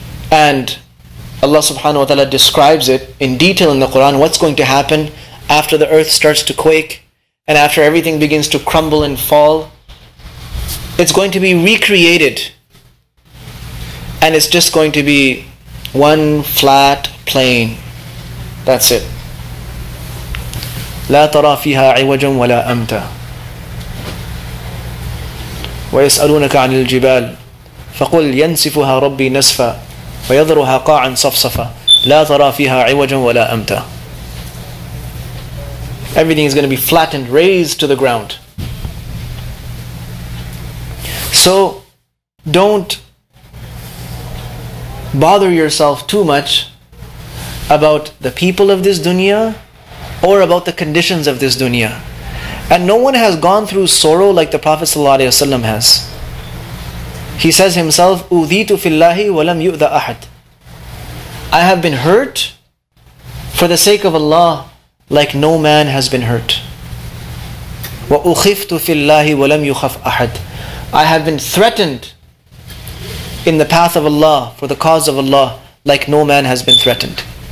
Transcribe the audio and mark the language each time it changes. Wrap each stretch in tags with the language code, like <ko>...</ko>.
<en>And Allah subhanahu wa ta'ala describes it in detail in the Quran, what's going to happen after the earth starts to quake, and after everything begins to crumble and fall. It's going to be recreated, and it's just going to be one flat plain. That's it.</en> <ar>لا ترى فيها عوجا ولا أمتا ويسألونك عن الجبال فقل ينسفها ربي نسفا ويذرها قاعا صفصفا لا ترى فيها عوجا ولا أمتا.</ar> <en>Everything is going to be flattened, raised to the ground. So, don't bother yourself too much about the people of this dunya or about the conditions of this dunya. And no one has gone through sorrow like the Prophet ﷺ has.</en> <ar>He says himself, أُذِيتُ فِي اللَّهِ وَلَمْ يُؤْذَ أَحَدٍ.</ar> <en>I have been hurt for the sake of Allah, like no man has been hurt.</en> <ar>وَأُخِفْتُ فِي اللَّهِ وَلَمْ يُخَفْ أَحَدٍ.</ar> <en>I have been threatened in the path of Allah, for the cause of Allah, like no man has been threatened.</en>